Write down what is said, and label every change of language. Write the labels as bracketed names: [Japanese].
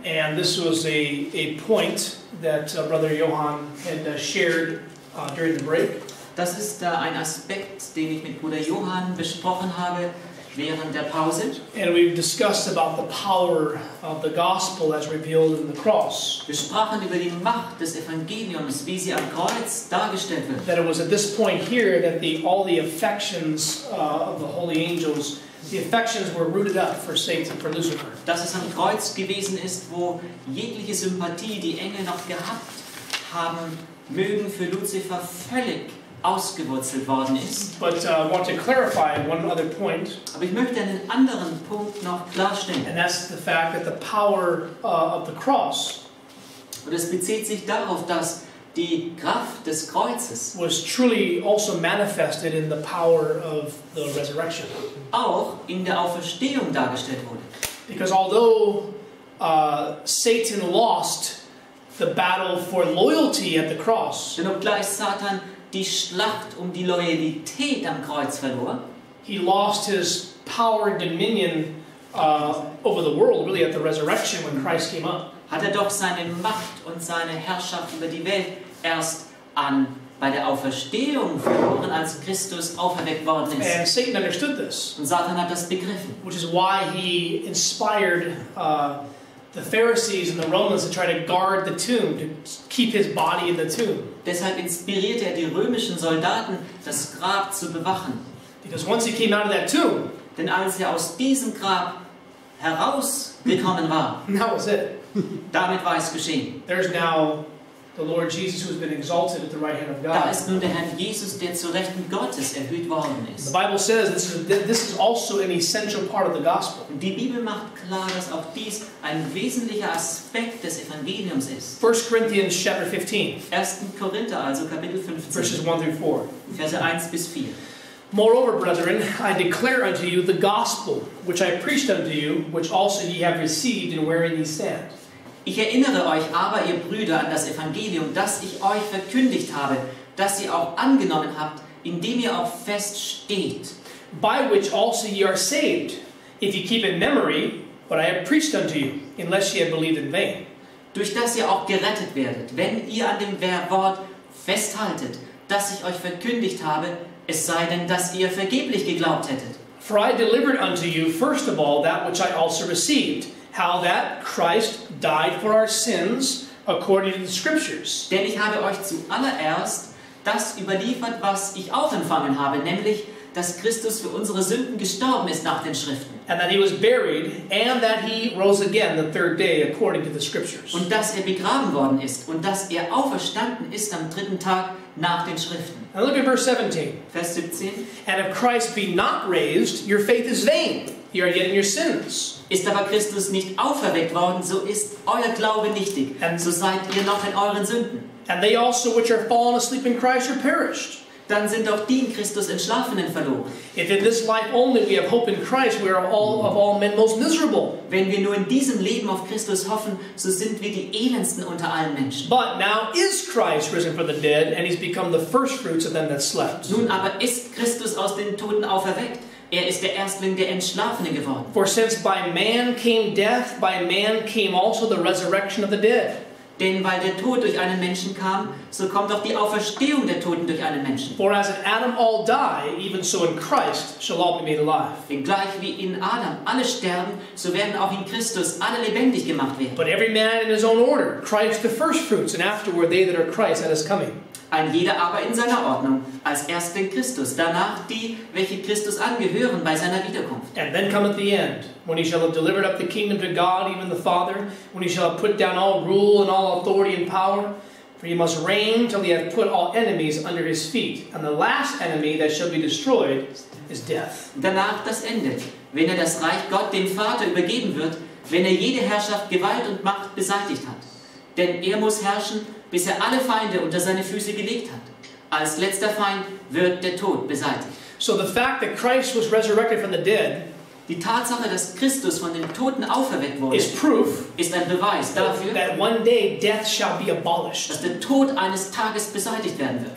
[English] And this was a point that Brother Johann had shared during the break. [German] Das ist ein Aspekt, den ich mit Bruder Johann besprochen habe während der Pause. [English] And we've discussed about the power of the gospel as revealed in the cross. [German] Wir sprachen über die Macht des Evangeliums, wie sie am Kreuz dargestellt wird. [English] That it was at this point here that all the affections of the holy angels, the affections were rooted up for Satan, for Lucifer. [German] Dass es am Kreuz gewesen ist, wo jegliche Sympathie die Engel noch gehabt haben, mögen für Lucifer völlig ausgewurzelt worden ist. [English] But I want to clarify one other point. [German] Aber ich möchte einen anderen Punkt noch klarstellen. [English] And that's the fact that the power of the cross. [German] Und es bezieht sich darauf, dass die Kraft des Kreuzes [English] was truly also manifested in the power of the resurrection. [German] Auch in der Auferstehung dargestellt wurde. [English] Because although Satan lost the battle for loyalty at the cross. [German] Denn obgleich Satan die Schlacht um die Loyalität am Kreuz verlor. [English] He lost his power and dominion over the world, really at the resurrection when Christ came up. [German] Hat doch seine Macht und seine Herrschaft über die Welt erst an bei der Auferstehung verloren, als Christus auferweckt worden ist. [English] And Satan understood this. [German] Und Satan hat das begriffen. [English] Which is why he inspired the Pharisees and the Romans to try to guard the tomb, to keep his body in the tomb. [German] Deshalb inspirierte die römischen Soldaten, das Grab zu bewachen. [English] Because once he came out of that tomb, [German] denn als aus diesem Grab herausgekommen war, [English] that was it. [German] Damit war es geschehen. [English] There's now the Lord Jesus who has been exalted at the right hand of God. [German] Da ist nun der Herr Jesus, der zu Rechten Gottes erhöht worden ist. [English] The Bible says this is also an essential part of the gospel. [German] Die Bibel macht klar, dass auch dies ein wesentlicher Aspekt des Evangeliums ist. [English] 1 Corinthians chapter 15. [German] 1. Korinther, also Kapitel 15. [English] Verses 1 through 4. [German] Verse 1 bis 4. [English] Moreover, brethren, I declare unto you the gospel, which I preached unto you, which also ye have received and wherein ye stand. [German] Ich erinnere euch aber, ihr Brüder, an das Evangelium, das ich euch verkündigt habe, das ihr auch angenommen habt, indem ihr auch feststeht. [English] By which also ye are saved, If ye keep in memory what I have preached unto you, unless ye have believed in vain. [German] Durch das ihr auch gerettet werdet, wenn ihr an dem Wort festhaltet, das ich euch verkündigt habe, es sei denn, dass ihr vergeblich geglaubt hättet. [English] For I delivered unto you first of all that which I also received, how that Christ died for our sins according to the Scriptures. [German] Denn ich habe euch zuallererst das überliefert, was ich auch empfangen habe, nämlich, dass Christus für unsere Sünden gestorben ist nach den Schriften. [English] And that he was buried, and that he rose again the third day according to the Scriptures. [German] Und dass er begraben worden ist, und dass er auferstanden ist am dritten Tag nach den Schriften. [English] Now look at verse 17. [German] Vers 17. [English] And if Christ be not raised, your faith is vain. You are yet in your sins. [German] Ist aber Christus nicht auferweckt worden, so ist euer Glaube nichtig. And so seid ihr noch in euren Sünden. [English] And they also which are fallen asleep in Christ are perished. [German] Dann sind auch die in Christus Entschlafenen verloren. [English] If in this life only we have hope in Christ, we are all of all men most miserable. [German] Wenn wir nur in diesem Leben auf Christus hoffen, so sind wir die elendsten unter allen Menschen. [English] But now is Christ risen from the dead, and he's become the firstfruits of them that slept. [German] Nun aber ist Christus aus den Toten auferweckt. Er ist der Erstling der Entschlafenen geworden. [English] For since by man came death, by man came also the resurrection of the dead. [German] Denn weil der Tod durch einen Menschen kam, so kommt auch die Auferstehung der Toten durch einen Menschen. [English] For as in Adam all die, even so in Christ shall all be made alive. [German] Denn gleich wie in Adam alle sterben, so werden auch in Christus alle lebendig gemacht werden. [English] But every man in his own order, Christ the firstfruits, and afterward they that are Christ at his coming. [German] Ein jeder aber in seiner Ordnung, als Erstling Christus, danach die, welche Christus angehören bei seiner Wiederkunft. [English] And then cometh the end, when he shall have delivered up the kingdom to God, even the Father, when he shall have put down all rule and all authority and power, for he must reign till he hath put all enemies under his feet, and the last enemy that shall be destroyed is death. [German] Danach das Ende, wenn er das Reich Gott dem Vater übergeben wird, wenn er jede Herrschaft, Gewalt und Macht beseitigt hat. Denn er muss herrschen, bis er alle Feinde unter seine Füße gelegt hat. Als letzter Feind wird der Tod beseitigt. [English] So the fact that Christ was resurrected from the dead, [German] die Tatsache, dass Christus von den Toten auferweckt wurde, [English] is proof, [German] ist ein Beweis dafür, [English] that one day death shall be abolished, [German] dass der Tod eines Tages beseitigt werden wird,